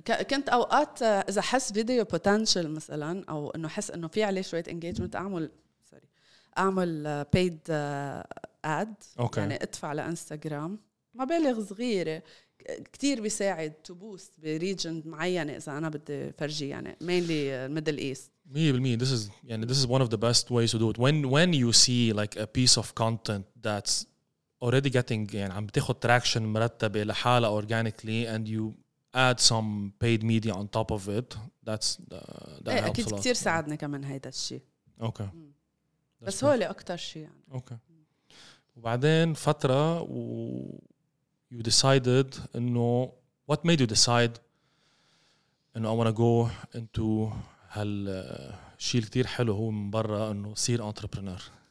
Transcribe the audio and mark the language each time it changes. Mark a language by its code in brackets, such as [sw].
[ar] كنت أوقات إذا حس فيديو [en] potential [ar] مثلاً أو إنه حس إنه في عليه شوية engagement أعمل [en] paid ad okay. [ar] يعني أدفع على إنستغرام مبالغ صغيرة كتير بيساعد [en] to boost [ar] ب region معينة إذا أنا بدي فرجي يعني [en] mainly middle east 100% this is one of the best ways to do it when you see like a piece of content that's already getting [ar] يعني عم بتاخد [en] traction [ar] مرتبة لحالة [en] organically and you add some paid media on top of it that's that helps [ar] أكيد [en] a lot. [ar] كتير ساعدني كمان هيدا الشيء [en] okay. [ar] بس هو اللي أكتر شيء يعني [en] okay. [ar] وبعدين فترة و [en] you decided [ar] إنه [en] what made you decide [ar] إنه [en] I wanna go into [ar] هال شيء كتير حلو هو من برا إنه صير entrepreneur